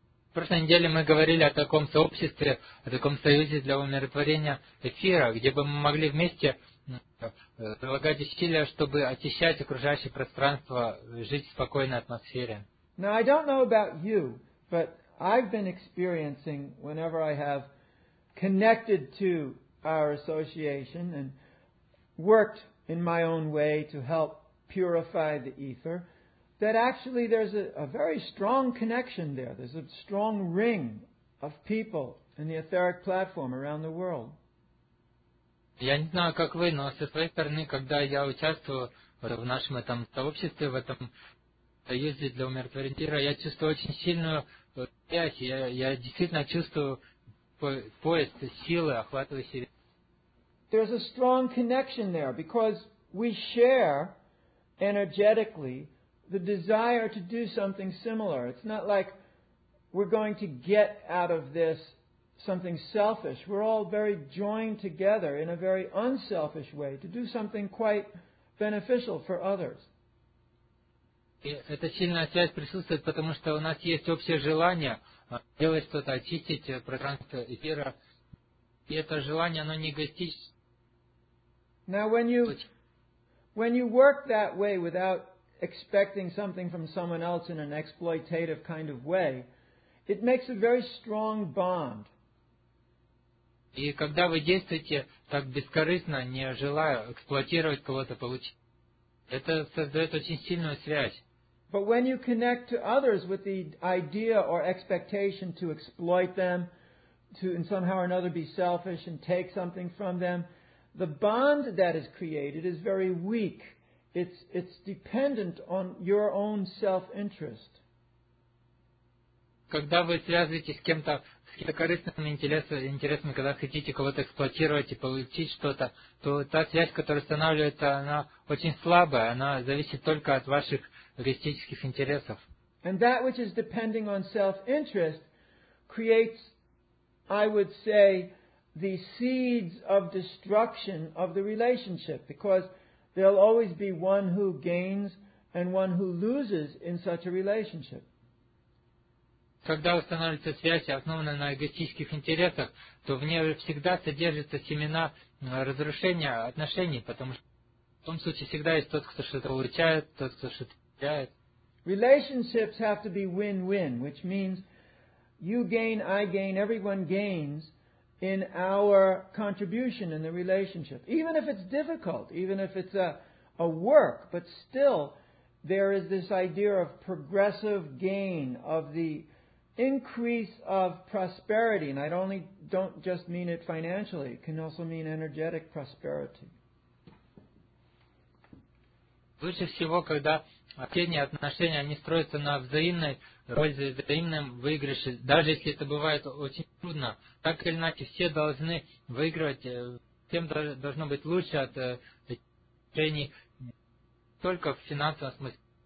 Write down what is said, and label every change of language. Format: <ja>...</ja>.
<ru>В прошлой неделе мы говорили о таком сообществе, о таком союзе для умиротворения эфира, где бы мы могли вместе прилагать усилия, чтобы очищать окружающее пространство, жить в спокойной атмосфере.</ru> <en>Now, I don't know about you, but I've been experiencing whenever I have connected to our association and worked in my own way to help purify the ether, that actually there's a very strong connection there. There's a strong ring of people in the etheric platform around the world.</en> <ru>Я не знаю, как вы, но со своей стороны, когда я участвую в нашем этом сообществе, в этом союзе для умиротворения, я чувствую очень сильную связь. Я действительно чувствую пояс силы, охватывающий.</ru> <en>There's a strong connection there because we share energetically the desire to do something similar. It's not like we're going to get out of this something selfish. We're all very joined together in a very unselfish way to do something quite beneficial for others.</en> <ru>Эта сильная связь присутствует, потому что у нас есть общее желание делать что-то, очистить пространство эфира. И это желание, оно не эгоистическое.</ru> <en>Now, when you work that way without expecting something from someone else in an exploitative kind of way, it makes a very strong bond.</en> <ru>И когда вы действуете так бескорыстно, не желая эксплуатировать кого-то, получить, это создает очень сильную связь.</ru> <en>But when you connect to others with the idea or expectation to exploit them, to in somehow or another be selfish and take something from them, the bond that is created is very weak. It's dependent on your own self-interest.</en> <ru>Когда вы связываетесь с кем-то, с каким-то корыстным интересом, когда хотите кого-то эксплуатировать и получить что-то, то та связь, которая устанавливается, она очень слабая, она зависит только от ваших эгоистических интересов.</ru> <en>And that which is depending on self-interest creates, I would say, the seeds of destruction of the relationship, because there'll always be one who gains and one who loses in such a relationship.</en> <ru>Когда устанавливается связь, основанная на эгоистических интересах, то в ней всегда содержатся семена разрушения отношений, потому что в том случае всегда есть тот, кто что-то получает, тот, кто что-то теряет.</ru> <en>Relationships have to be win-win, which means you gain, I gain, everyone gains in our contribution in the relationship. Even if it's difficult, even if it's a work, but still there is this idea of progressive gain, of the increase of prosperity, and I don't just mean it financially, it can also mean energetic prosperity.</en> <ru>Лучше всего, когда общение, отношения, они строятся на взаимной пользе, взаимном выигрыше, даже если это бывает очень трудно. Так или иначе, все должны выигрывать, всем должно быть лучше от отношений, не только в финансовом смысле.</ru>